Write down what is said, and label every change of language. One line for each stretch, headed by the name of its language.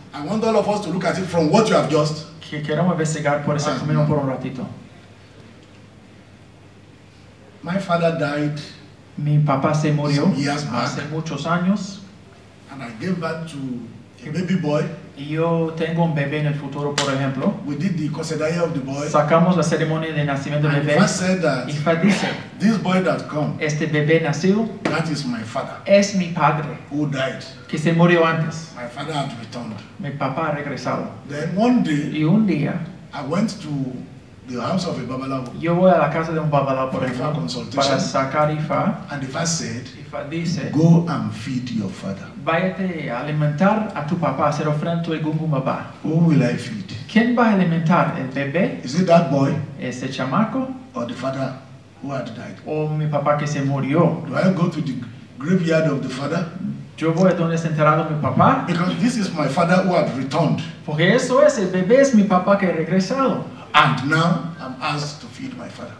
English: I want all of us to look at it from what you have just.
Spanish: Que queremos investigar por ese camino por un ratito.
English: My father died.
Spanish: Mi papá se murió
English: years back,
Spanish: hace muchos años.
English: And I gave birth to a baby boy.
Spanish: y yo tengo un bebé en el futuro, por ejemplo,
English: we did the consedaya of the boy,
Spanish: sacamos la ceremonia de nacimiento del bebé, y Fa dice,
English: this boy that come,
Spanish: este bebé nacido,
English: that is my father,
Spanish: es mi padre,
English: who died,
Spanish: que se murió antes.
English: My father had returned.
Spanish: Mi papá ha regresado.
English: Then one day,
Spanish: y un día,
English: I went to the house of a babalawo,
Spanish: yo voy a la casa de un babalawo, por ejemplo, para sacar Ifa,
English: and Ifa said,
Spanish: Ifa dice,
English: go and feed your father.
Spanish: Váyate a alimentar a tu papá, hacer ofrenda a Gungu Baba.
English: Who will I feed?
Spanish: ¿Quién va a alimentar el bebé?
English: Is it that boy?
Spanish: ¿Ese chamaco?
English: Or the father who had died?
Spanish: ¿O mi papá que se murió?
English: Do I go to the graveyard of the father?
Spanish: Yo voy a donde está enterrado mi papá.
English: Because this is my father who had returned.
Spanish: Porque eso es, el bebé es mi papá que ha regresado.
English: And now I'm asked to feed my father.